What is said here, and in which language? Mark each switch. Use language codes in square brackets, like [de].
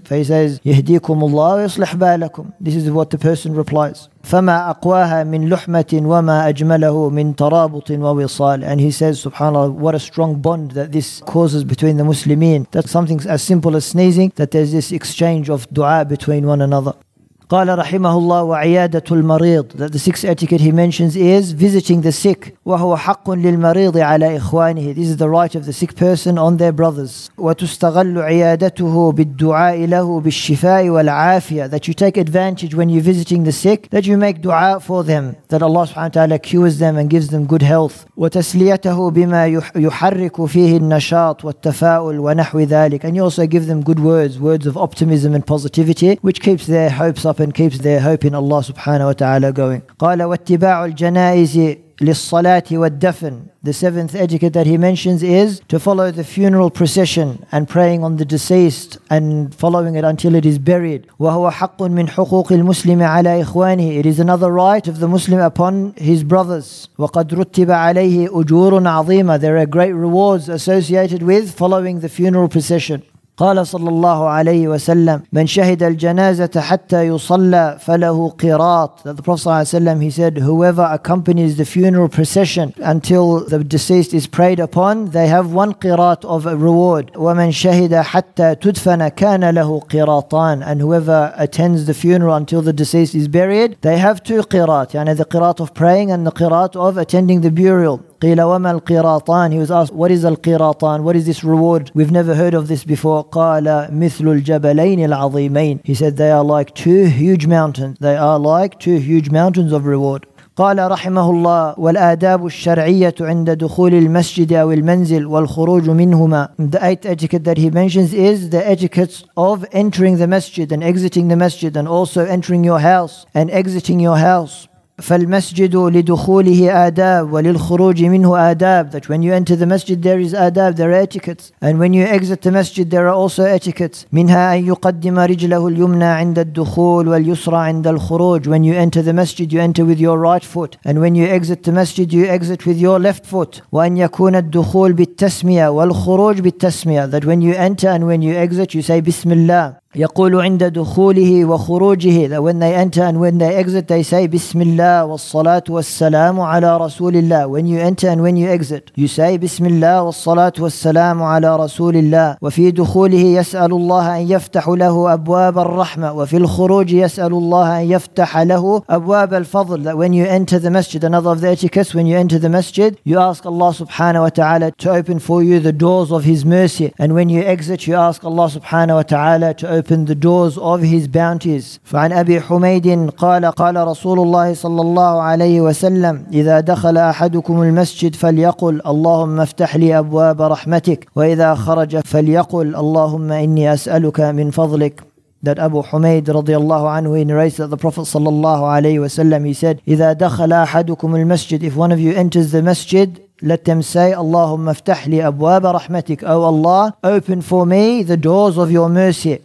[en] فهي says [ar] يَهْدِيكُمُ اللَّهُ وَيَصْلِحْ بَالَكُمْ. [en] This is what the person replies. [ar] فَمَا أَقْوَاهَا مِنْ لُحْمَةٍ وَمَا أَجْمَلَهُ مِنْ تَرَابُطٍ وَوِصَالٍ. [en] And he says, subhanAllah, what a strong bond that this causes between the Muslimin. That's something as simple as sneezing, that there's this exchange of dua between one another. [ar] قال رحمه الله وعيادة المريض. [en] That the sixth etiquette he mentions is visiting the sick. [ar] وهو حق للمريض على إخوانه. [en] This is the right of the sick person on their brothers. [ar] وتستغل عيادته بالدعاء له بالشفاء والعافية. [en] That you take advantage when you're visiting the sick, that you make dua for them, that Allah سبحانه وتعالى cures them and gives them good health. [ar] وتسليته بما يحرك فيه النشاط والتفاؤل ونحو ذلك. [en] And you also give them good words, words of optimism and positivity, which keeps their hopes up and keeps their hope in Allah subhanahu wa ta'ala going. [ar] قال واتباع الجنائز للصلاة والدفن. [en] The seventh etiquette that he mentions is to follow the funeral procession and praying on the deceased and following it until it is buried. [ar] وهو حق من حقوق المسلم على إخوانه. [en] It is another right of the Muslim upon his brothers. [ar] وقد رتب عليه أجور عظيمة. [en] There are great rewards associated with following the funeral procession. [ar] قال صلى الله عليه وسلم من شهد الجنازة حتى يصلى فله قراط. [en] That the Prophet صلى الله عليه وسلم, he said, whoever accompanies the funeral procession until the deceased is prayed upon, they have one qirat of a reward. [ar] ومن شهد حتى تدفن كان له قراطان. [en] And whoever attends the funeral until the deceased is buried, they have two qirat, يعني the qirat of praying and the qirat of attending the burial. [ar] قيل وما القراطان. [en] He was asked, what is القراطان? What is this reward? We've never heard of this before. [ar] قال مثل الجبلين العظيمين. [en] He said they are like two huge mountains. They are like two huge mountains of reward. [ar] قال رحمه الله والآداب الشرعية عند دخول المسجد أو المنزل والخروج منهما. [en] The eighth etiquette that he mentions is the etiquettes of entering the masjid and exiting the masjid and also entering your house and exiting your house. [ar] فالمسجد لدخوله آداب وللخروج منه آداب. [en] That when you enter the masjid there is آداب, there are etiquettes, and when you exit the masjid there are also etiquettes. [ar] منها أن يقدم رجله اليمنى عند الدخول واليسرى عند الخروج. [en] When you enter the masjid you enter with your right foot, and when you exit the masjid you exit with your left foot. [ar] وأن يكون الدخول بالتسمية والخروج بالتسمية. [en] That when you enter and when you exit you say بسم الله. [ar] يقول عند دخوله وخروجه. [en] That when they enter and when they exit they say [ar] بسم الله والصلاة والسلام على رسول الله. [en] When you enter and when you exit you say [ar] بسم الله والصلاة والسلام على رسول الله. وفي دخوله يسأل الله أن يفتح له أبواب الرحمة. وفي الخروج يسأل الله أن يفتح له أبواب الفضل. [en] That when you enter the masjid, another of the etiquettes, when you enter the masjid you ask Allah subhanahu wa ta'ala to open for you the doors of His mercy, and when you exit you ask Allah subhanahu wa ta'ala to open the doors of His bounties. [ar] فعن أبي حميد قال قال رسول الله صلى الله عليه وسلم إذا دخل أحدكم المسجد فليقل اللهم افتح لي أبواب رحمتك وإذا خرج فليقل اللهم إني أسألك من فضلك. [en] That Abu Humayd radiyallahu anhu, he narrates that the Prophet sallallahu alayhi wa sallam, he said, [ar] إِذَا دَخَلَ أَحَدُكُمُ الْمَسْجِدِ, [en] if one of you enters the masjid, let them say, [ar] اللهم افتح لي أبواب رحمتك, [en] O Allah, open for me the doors of your mercy.